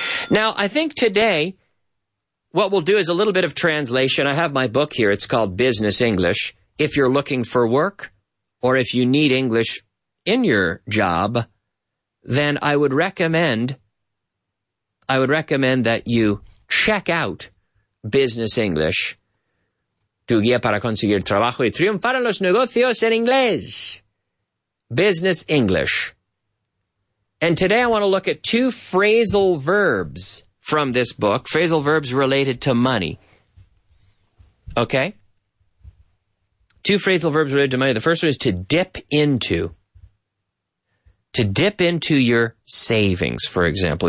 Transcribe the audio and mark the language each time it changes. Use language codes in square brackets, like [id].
[en] Now, I think today what we'll do is a little bit of translation. I have my book here. It's called Business English. If you're looking for work or if you need English in your job, then I would recommend that you check out Business English. [es] Tu guía para conseguir trabajo y triunfar en los negocios en inglés. Business English. [en] And today I want to look at two phrasal verbs from this book, phrasal verbs related to money. Okay? Two phrasal verbs related to money. The first one is to dip into. To dip into your savings, for example.